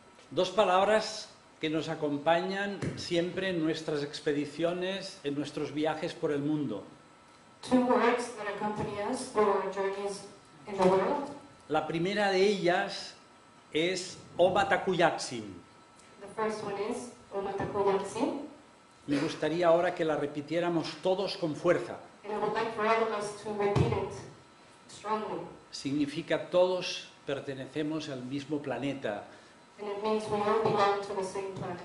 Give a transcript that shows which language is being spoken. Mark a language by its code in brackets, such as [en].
[es] Dos palabras que nos acompañan siempre en nuestras expediciones, en nuestros viajes por el mundo. [en] Two words that accompany us for our journeys in the world. [es] La primera de ellas es Omatakuyatsin. [en] The first one is Omatakuyatsin. [es] Me gustaría ahora que la repitiéramos todos con fuerza. [en] And I would like for all of us to repeat it strongly. [es] Significa todos pertenecemos al mismo planeta. [en] And it means we all belong to the same planet.